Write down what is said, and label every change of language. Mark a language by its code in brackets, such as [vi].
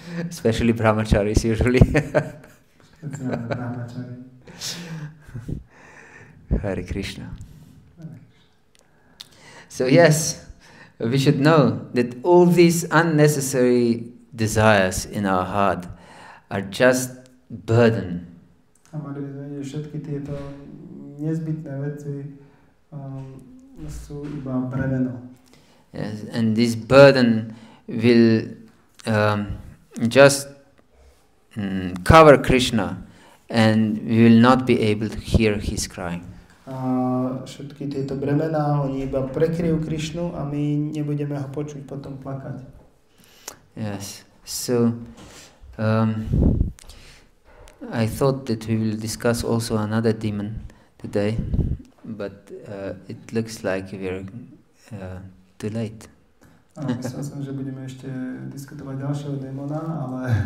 [en] Especially brahmacharis usually. Hare Krishna. So yes, we should know that all these unnecessary desires in our heart are just burden. [sk] Všetky tieto nezbytné veci sú iba bremeno. [en] Yes, and this burden will just cover Krishna and we will not be able to hear his crying. [sk] Všetky tieto bremena, oni iba prekryjú Krishnu a my nebudeme ho počuť potom plakať. [en] Yes. So I thought that we will discuss also another demon today, but it looks like we are too late. [sk] Myslel som, že budeme ešte diskutovať ďalšieho démona, ale